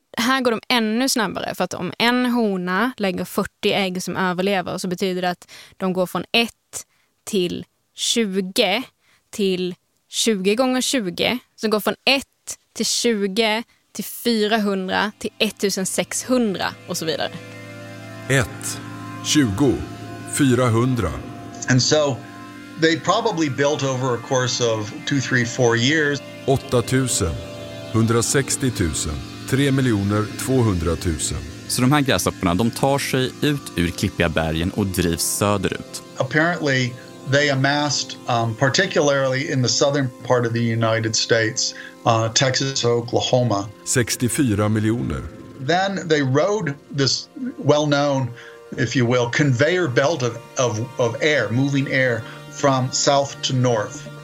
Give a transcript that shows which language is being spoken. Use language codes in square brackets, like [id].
[sv] Här går de ännu snabbare, för att om en hona lägger 40 ägg som överlever så betyder det att de går från 1 till 20 till 20 gånger 20. Så går från 1 till 20 till 400 till 1600 och så vidare. 1, 20, 400. [en] And so they probably built over a course of 2, 3, 4 years. [sv] 8000, 160,000. 3 miljoner 200 000. Så de här gräshopporna, de tar sig ut ur Klippiga bergen och drivs söderut. [en] Apparently they amassed particularly in the southern part of the United States, Texas, Oklahoma. [sv] 64 miljoner [en] then they rode this well-known, if you will, conveyor belt of air, moving air, from south to north.